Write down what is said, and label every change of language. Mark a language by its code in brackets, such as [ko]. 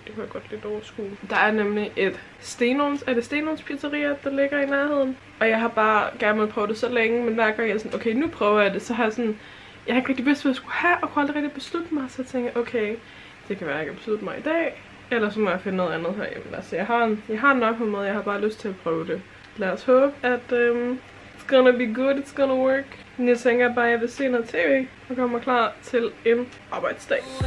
[da] Det kunne jeg godt lidt overskue. Der er nemlig et Stenons, er det Stenons pizzeria, der ligger i nærheden? Og jeg har bare gerne måttet prøve det så længe, men hver gang jeg er sådan, okay, nu prøver jeg det, så har jeg sådan, jeg har ikke rigtig vidst, hvad jeg skulle have, og kunne aldrig rigtig beslutte mig, så tænker jeg, okay, det kan være, at jeg kan beslutte mig i dag, eller så må jeg finde noget andet herhjemme. Altså, jeg har nok på måde, jeg har bare lyst til at prøve det. Lad os håbe, at [en] it's gonna be good, it's gonna work. [da] Men jeg tænker bare, at jeg vil se noget tv, og kommer klar til en arbejdsdag.